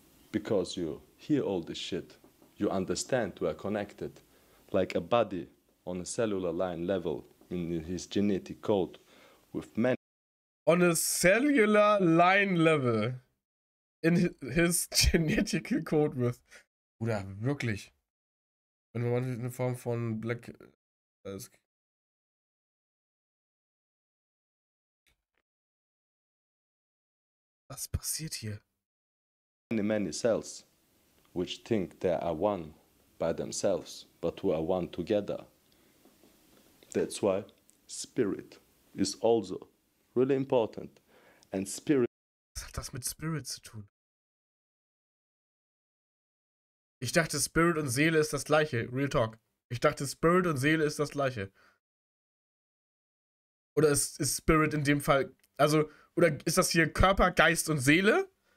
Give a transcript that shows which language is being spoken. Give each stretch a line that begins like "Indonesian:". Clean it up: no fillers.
English: Because you hear all this shit. You understand we are connected. Like a body on a cellular line level in his genetic code with many. On a cellular line level in his genetic code with.
German: Oder wirklich. Wenn man eine Form von Black. Was passiert hier?
English: Many, many cells, which think they are one by themselves, but who are one together. That's why spirit is also really important. And spirit.
German: Was hat das mit Spirit zu tun? Ich dachte, Spirit und Seele ist das gleiche. Real talk. Ich dachte, Spirit und Seele ist das gleiche. Oder ist Spirit in dem Fall. Also. Oder ist das hier Körper, Geist und Seele?